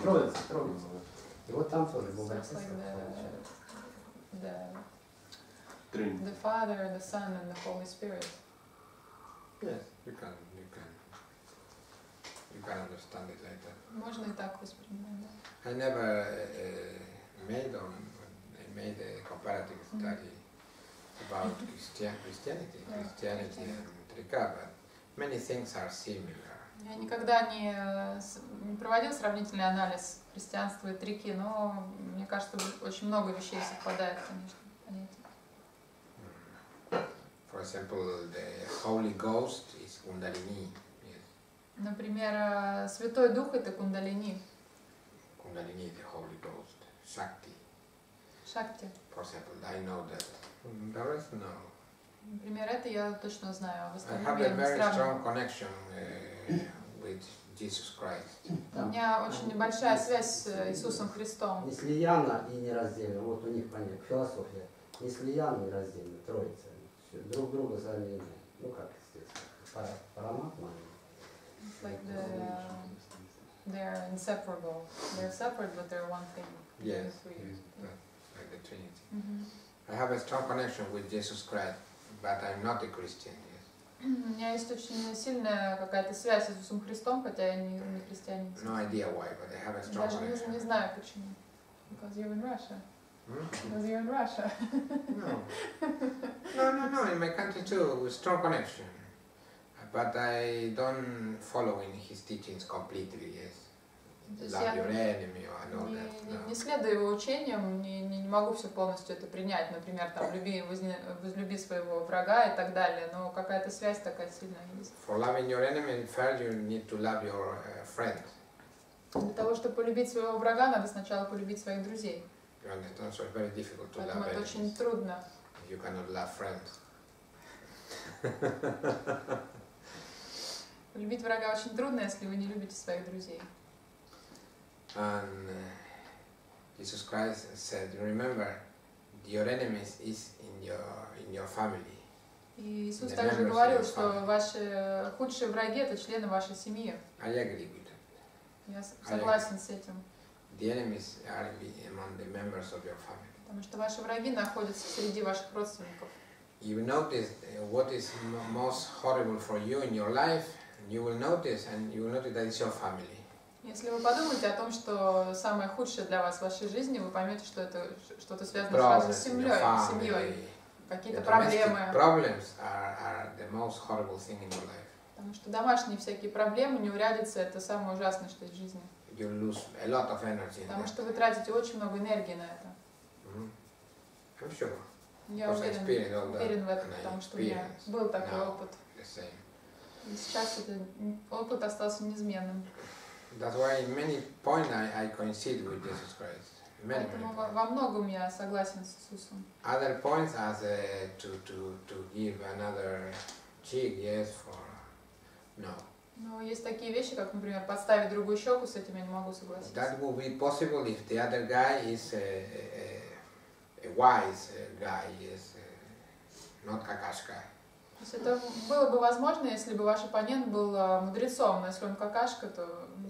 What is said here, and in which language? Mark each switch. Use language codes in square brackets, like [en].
[ru] Троица. И вот там тоже Бог Отец. [en] The Father, the Son and the Holy Spirit. Yes, you can understand it later. [ru] Можно и так воспринимать, да. [en] I never made a comparative study about Christianity, Christianity and Trika, but many things are similar. [ru] Я никогда не проводил сравнительный анализ христианства и Трики, но мне кажется, очень много вещей совпадает, конечно. [en] For example, the Holy Ghost is Kundalini. Yes. [ru] Например, Святой Дух это Кундалини. [en] Kundalini, the Holy Ghost, Shakti. Shakti. For example, I know that. The rest, no. [ru] Например, это я точно знаю. В остальном [en] I have a very strong connection with Jesus Christ. [ru] У меня очень небольшая связь с Иисусом Христом. Не слияна и не раздельна. Вот у них понятие, философия. Не слияна и раздельна, троица. Все, друг друга заменяют. Ну как, естественно. Парамахма. [en] They're inseparable. They're separate, but they're one thing. Yes, like the Trinity. Mm-hmm. I have a strong connection with Jesus Christ, but I'm not a Christian. Yes. [ru] У меня есть очень сильная какая-то связь с Иисусом Христом, хотя я не христианин. [en] No idea why, but I have a strong connection. [ru] Даже не знаю почему. [en] Because you're in Russia. Because you're in Russia. No. In my country too, with strong connection. But I don't follow in his teachings completely, yes. Love your enemy or all that. [ru] Не следую его учениям, не могу все полностью это принять. Например, там возлюби своего врага и так далее. Но какая-то связь такая сильная есть. [en] For loving your enemy, first you need to love your friend. [ru] Для того, чтобы полюбить своего врага, надо сначала полюбить своих друзей. [en] It's very difficult to love enemies. [ru] Поэтому это очень трудно. [en] You cannot love friends. [ru] Любить врага очень трудно, если вы не любите своих друзей. [en] And Jesus Christ said, remember, your enemies is in your family. [ru] Иисус также говорил, что ваши худшие враги это члены вашей семьи. [en] I agree with that. [ru] Я согласен с этим. [en] The enemies are among the members of your family. [ru] Потому что ваши враги находятся среди ваших родственников. [en] You notice what is most horrible for you in your life. You will notice, and you will notice that it's your family. [ru] Если вы подумаете о том, что самое худшее для вас в вашей жизни, вы поймете, что это что-то связано с вашей семьей, какие-то проблемы. [en] Problems are the most horrible thing in your life. [ru] Потому что домашние всякие проблемы, неурядицы, это самое ужасное, что есть в жизни. [en] You lose a lot of energy. [ru] Потому что вы тратите очень много энергии на это. [en] I'm sure. [ru] Я уверен в этом, потому что у меня был такой опыт. Сейчас этот опыт остался неизменным. [en] That's why in many points I coincide with Jesus Christ. Many. [ru] Во многом я согласен с Иисусом. [en] Other points as to give another cheek, yes, for no. [ru] Но есть такие вещи, как, например, подставить другую щеку, с этим я не могу согласиться. [en] That would be possible if the other guy is a wise guy, yes, not [ru] какашка. То есть это было бы возможно, если бы ваш оппонент был мудрецом, но если он какашка, то...